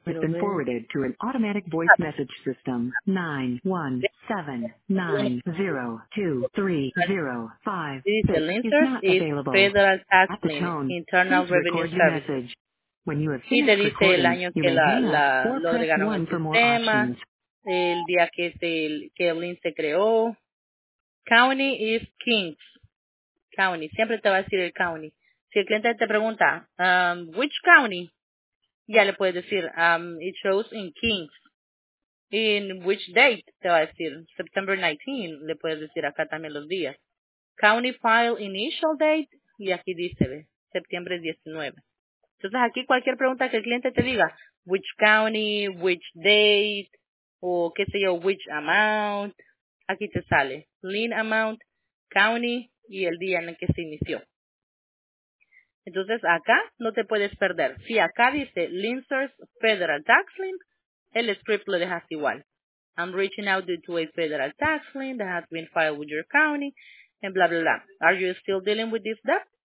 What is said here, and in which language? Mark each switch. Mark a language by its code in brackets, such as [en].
[en] has been forwarded to an automatic voice message system. 917902305 is not available. Internal Revenue Service. When you have finished recording, you may dial 4+1 for more options. [es] El día que el link se creó. [en] County is Kings. [es] County. Siempre te va a decir el county. Si el cliente te pregunta, [en] which county? [es] Ya le puedes decir, [en] it shows in Kings. In which date? [es] Te va a decir, [en] September 19. [es] Le puedes decir acá también los días. [en] County file initial date. [es] Y aquí dice, ¿ve? September 19. Entonces aquí cualquier pregunta que el cliente te diga, [en] which county, which date, [es] o qué sé yo, [en] which amount, [es] aquí te sale, [en] lien amount, county, [es] y el día en el que se inició. Entonces, acá no te puedes perder. Si acá dice, Linsers Federal Tax Lien, el script lo dejas igual. [en] I'm reaching out to a federal tax lien that has been filed with your county, and bla, bla, bla. Are you still dealing with this debt?